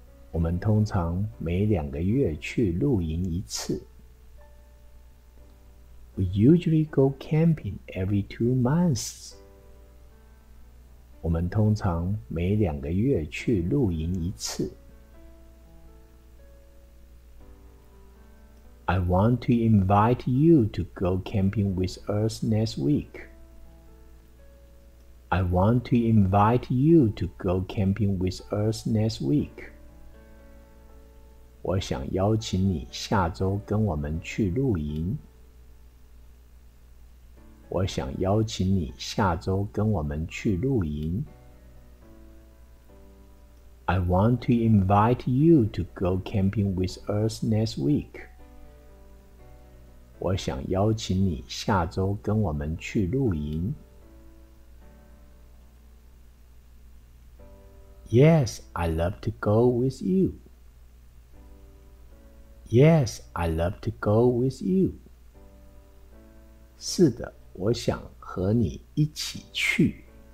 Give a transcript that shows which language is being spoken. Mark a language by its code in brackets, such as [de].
[zh] 我们通常每两个月去露营一次。 [en] We usually go camping every 2 months. [zh] 我们通常每两个月去露营一次。 [en] I want to invite you to go camping with us next week. I want to invite you to go camping with us next week. [zh] 我想邀请你下周跟我们去露营。我想邀请你下周跟我们去露营。 [en] I want to invite you to go camping with us next week. [zh] 我想邀请你下周跟我们去露营。 [en] Yes, I love to go with you. Yes, I love to go with you. [zh] 是的，我想和你一起去。